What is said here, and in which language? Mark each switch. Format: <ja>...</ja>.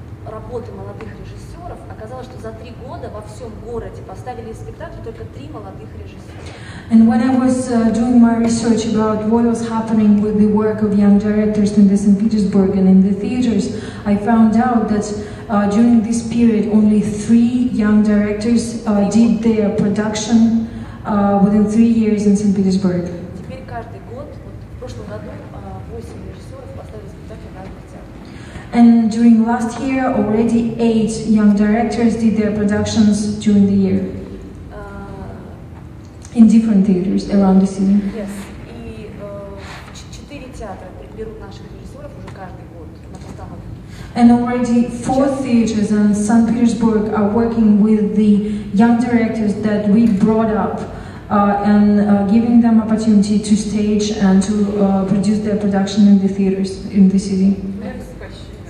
<ru>Работы молодых режиссеров оказалось, что за три года во всем городе поставили спектакль только три молодых режиссера.</ru> <en>And when I was doing my research about what was happening with the work of young directors in St. Petersburg and in the theaters, I found out that during this period only three young directors did their production within 3 years in St. Petersburg.</en> <ru>Теперь каждый год, вот, в прошлом году, восемь режиссеров поставили спектакль в разных театрах.</ru> <en>And during last year, already eight young directors did their productions during the year. In different theaters around the city. Yes,</en> <ru>и четыре театра берут наших режиссеров уже каждый год на постановки.</ru> <en>And already four theaters in St. Petersburg are working with the young directors that we brought up and giving them opportunity to stage and to produce their production in the theaters in the city. Next question.</en>